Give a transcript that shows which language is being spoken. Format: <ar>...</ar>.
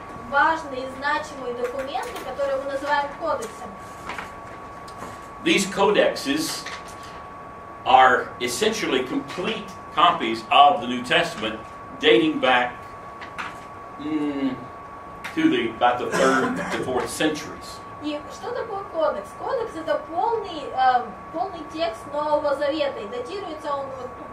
<ru>Важные и значимые документы, которые мы называем кодексами.</ru> <en>These codexes are essentially complete copies of the New Testament dating back to the about the 3rd to 4th centuries.</en> <ru>И что такое кодекс? Кодекс это полный текст Нового Завета, и датируется он вот</ru>